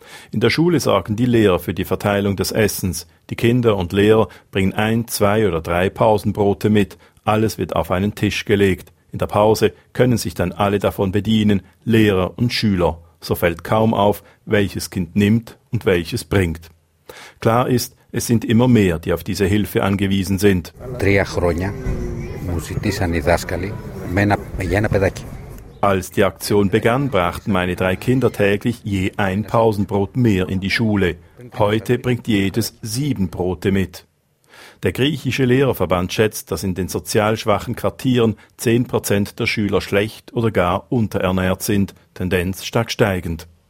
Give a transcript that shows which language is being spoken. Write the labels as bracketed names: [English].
[German] In der Schule sorgen die Lehrer für die Verteilung des Essens. Die Kinder und Lehrer bringen 1, 2 oder 3 Pausenbrote mit. Alles wird auf einen Tisch gelegt. In der Pause können sich dann alle davon bedienen, Lehrer und Schüler. So fällt kaum auf, welches Kind nimmt und welches bringt. Klar ist, es sind immer mehr, die auf diese Hilfe angewiesen sind. 3 Jahre [Greek] μου ζητήσαν οι δάσκαλοι για ένα παιδάκι. [German] Als die Aktion begann, brachten meine 3 Kinder täglich je 1 Pausenbrot mehr in die Schule. Heute bringt jedes 7 Brote mit. Der griechische Lehrerverband schätzt, dass in den sozial schwachen Quartieren 10% der Schüler schlecht oder gar unterernährt sind, Tendenz stark steigend.